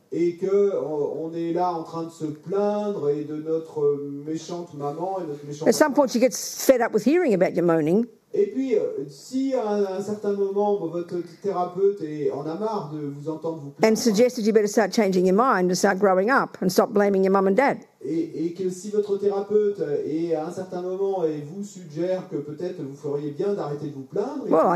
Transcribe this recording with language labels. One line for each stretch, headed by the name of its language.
French: Et que on est là en train de se plaindre et de notre méchante maman et notre méchante.
English: At some point, she gets fed up with hearing about your moaning.
French: Et puis, si à un certain moment votre thérapeute est en a marre de vous entendre vous plaindre,
English: and suggested you better start changing your mind and start growing up and stop blaming your mum and dad.
French: Et que si votre thérapeute est à un certain moment et vous suggère que peut-être vous feriez bien d'arrêter de vous plaindre,